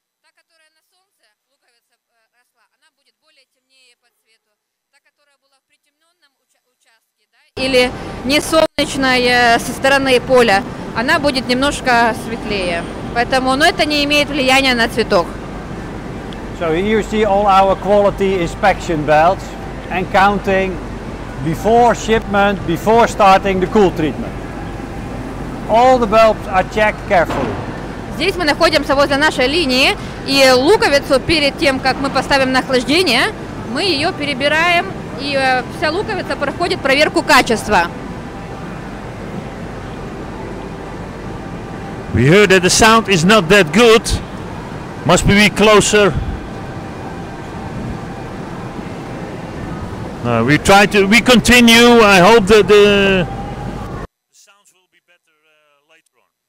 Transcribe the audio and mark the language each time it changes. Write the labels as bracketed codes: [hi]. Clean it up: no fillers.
[ru] Та, которая на солнце, луковица росла, она будет более темнее по цвету. Та, которая была в притемненном участке, да? Или не солнечная со стороны поля. Она будет немножко светлее. Поэтому, но это не имеет влияния на цветок. [en] So you see all our quality inspection belts and counting before shipment, before starting the cool treatment. All the bulbs are checked carefully. [ru] Здесь мы находимся возле нашей линии, и луковицу перед тем, как мы поставим на охлаждение, мы ее перебираем, и вся луковица проходит проверку качества. [en] We heard that the sound is not that good. Must be closer. We continue. I hope that the sounds will be better later on.